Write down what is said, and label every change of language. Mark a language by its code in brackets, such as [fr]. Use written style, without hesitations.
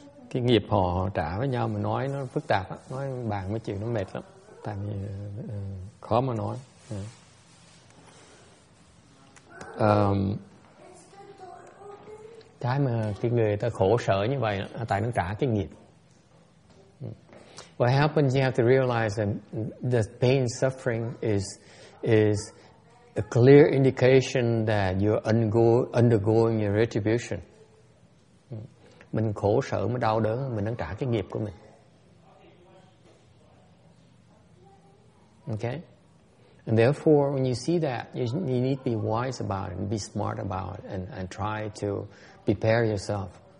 [vi] Cái nghiệp họ trả với nhau mà nói nó phức tạp á, nói bàn mấy chuyện nó mệt lắm, tại vì khó mà nói. Cái mà cái người ta khổ sở như vậy là tại nó trả cái nghiệp. [en] What happens, you have to realize that the pain suffering is a clear indication that you're undergoing your retribution. [vi] Mình khổ sở mới đau đớn, mình đang trả cái nghiệp của mình. [en] Okay? And therefore, when you see that, you need to be wise about it, and be smart about it, and try to prepare yourself.